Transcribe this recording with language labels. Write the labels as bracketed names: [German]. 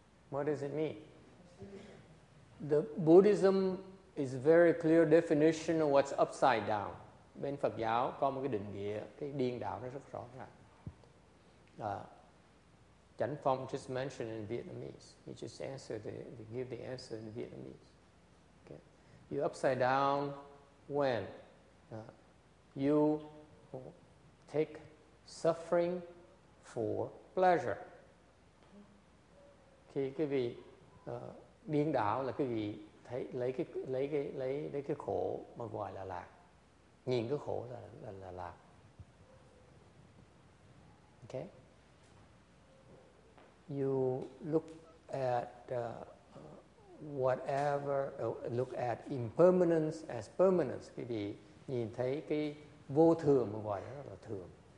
[English] What does it mean? The Buddhism is very clear definition of what's upside down. [Vietnamese] Bên Phật giáo có một cái định nghĩa cái điên đảo nó rất rõ ràng. [English] Chánh Phong just mentioned in Vietnamese. He just answered the give the answer in Vietnamese. You upside down when you take suffering for pleasure. [Vietnamese] Khi quý vị điên đảo là quý vị thấy lấy cái khổ mà gọi là lạc, nhìn cái khổ là lạc. [English] Okay. You look at whatever, look at impermanence as permanence. [Vietnamese] Quý vị nhìn thấy cái vô thường mà gọi đó là thường.